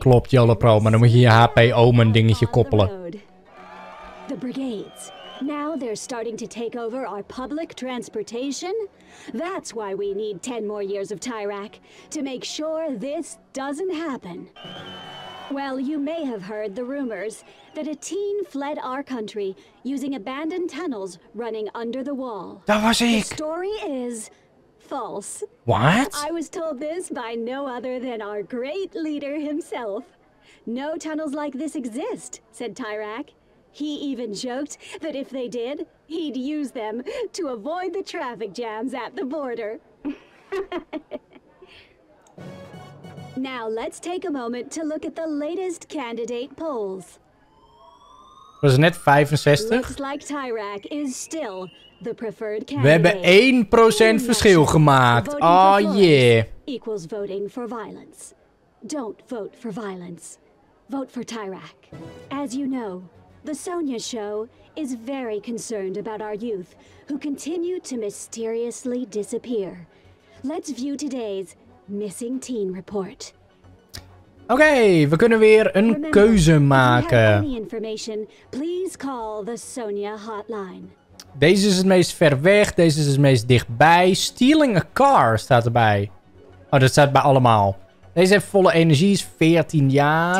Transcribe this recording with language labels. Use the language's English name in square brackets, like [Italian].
[Dutch] Klopt, Jelle Pro, maar dan moet je je HP Omen dingetje koppelen. [English] The brigades. Now they're starting to take over our public transportation. That's why we need 10 more years of Tyrak, to make sure this doesn't happen. Well, you may have heard the rumors that a teen fled our country using abandoned tunnels running under the wall. [Dutch] Dat was ik. [English] The story is false. What? I was told this by no other than our great leader himself. No tunnels like this exist, said Tyrak. He even joked that if they did, he'd use them to avoid the traffic jams at the border. Now, let's take a moment to look at the latest candidate polls. [Dutch] Was het net 65? [English] Looks like Tyrak is still the preferred candidate. [Dutch] We hebben 1% verschil gemaakt. [English] Oh yeah. Equals voting for violence. Don't vote for violence. Vote for Tyrak. As you know, the Sonia Show is very concerned about our youth who continue to mysteriously disappear. Let's view today's missing teen report. [Dutch] Oké, okay, we kunnen weer een [English] Remember, [Dutch] keuze maken. [English] If you have any information, please call the Sonia hotline. [Dutch] Deze is het meest ver weg, deze is het meest dichtbij. [English] Stealing a car [Dutch] staat erbij. Oh, dat staat bij allemaal. Deze heeft volle energie, is 14 jaar.